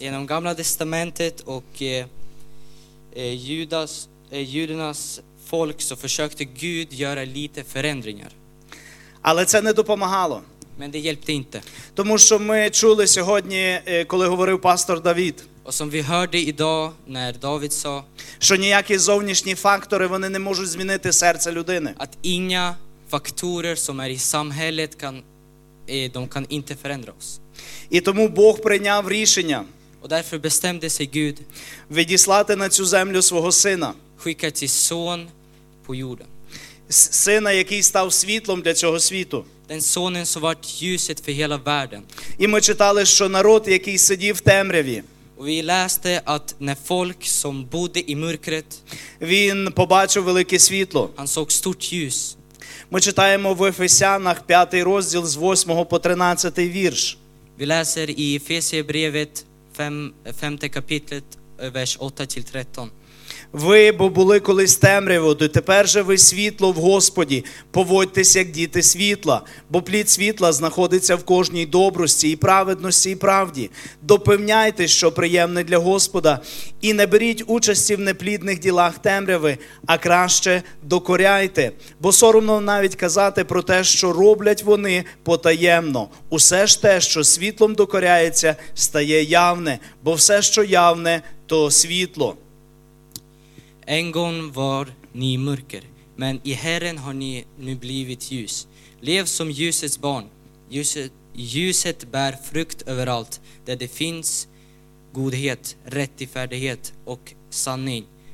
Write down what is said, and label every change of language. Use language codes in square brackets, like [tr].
[sv] Genom gamla testamentet och judarnas folk så försökte Gud göra lite förändringar. [uk] Але це не допомагало. [sv] Men det hjälpte inte. [uk] Тому що ми чули сьогодні, коли говорив пастор Давид. [sv] Och som vi hörde idag när David sa, [uk] що ніякі зовнішні фактори вони не можуть змінити серце людини. [sv] Att inga faktorer som är i samhället kan de kan inte förändra oss. [uk] І тому Бог прийняв рішення. [sv] Och därför bestämde sig Gud. [uk] Відіслати на цю землю свого сина. [sv] Skickat sin son på jorden. [uk] Сина, який став світлом для цього світу. [sv] Den sonen som var ljuset för hela världen. [uk] І ми читали, що народ, який сидів в темряві. [sv] Vi läste att när folk som bodde i mörkret. [uk] Він побачив велике світло. [sv] Han såg stort ljus. [uk] Ми читаємо в Ефесянах 5 розділ з 8 по 13 вірш. [sv] Vi läser i Efesierbrevet 5 kapitlet vers 8-13. [uk] Ви, бо були колись темрявою, тепер же ви світло в Господі. Поводьтесь, як діти світла, бо плід світла знаходиться в кожній добрості і праведності і правді. Допевняйте, що приємне для Господа, і не беріть участі в неплідних ділах темряви, а краще докоряйте. Бо соромно навіть казати про те, що роблять вони потаємно. Усе ж те, що світлом докоряється, стає явне, бо все, що явне, то світло. [sv] En gång var ni mörker, men i Herren har ni nu blivit ljus. Lev som ljusets barn. Ljuset bär frukt överallt där det finns godhet, rättfärdighet och sanning.